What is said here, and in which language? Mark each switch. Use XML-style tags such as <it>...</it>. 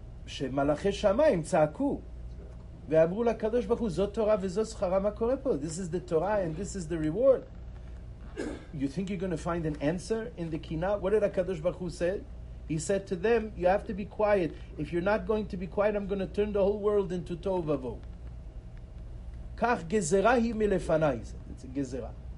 <he>שמלאכי שמיים צעקו. ואמרו לקדוש ברוך הוא, זאת תורה וזו שכרה, מה קורה פה?</he> <en>This is the Torah and this is the reward. You think you're going to find an answer in the kina? What did הקדוש ברוך הוא say? He said to them, you have to be quiet. If you're not going to be quiet, I'm going to turn the whole world into tohu ובוהו.</en> <he>כך גזרה היא מלפניי.</he> <en>It's a גזרה.</en>